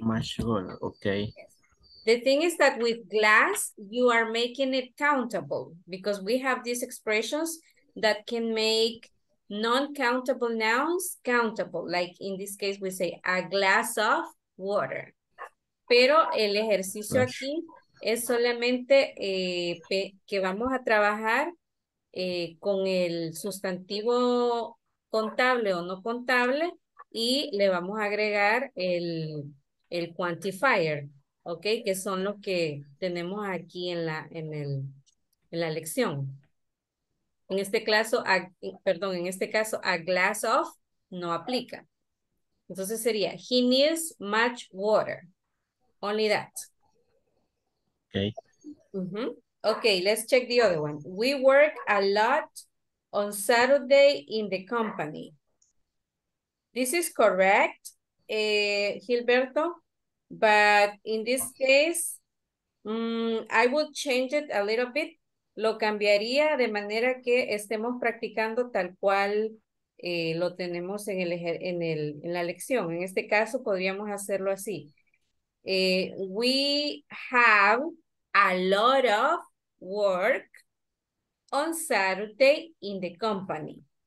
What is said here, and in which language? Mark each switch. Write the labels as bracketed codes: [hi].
[en] Much water. Okay. The thing is that with glass, you are making it countable because we have these expressions that can make non-countable nouns countable. Like in this case, we say a glass of water. [es] Pero el ejercicio aquí es solamente que vamos a trabajar con el sustantivo contable o no contable y le vamos a agregar el [en] quantifier, [es] ¿ok? Que son los que tenemos aquí en la lección. En este caso, [en] a glass of [es] no aplica. Entonces sería, [en] he needs much water. Only that. Okay. Mm-hmm. Okay, let's check the other one. We work a lot on Saturday in the company. This is correct, Gilberto, but in this case, I will change it a little bit. [es] Lo cambiaría de manera que estemos practicando tal cual lo tenemos en la lección. En este caso, podríamos hacerlo así. [en] We have a lot of work on Saturday in the company.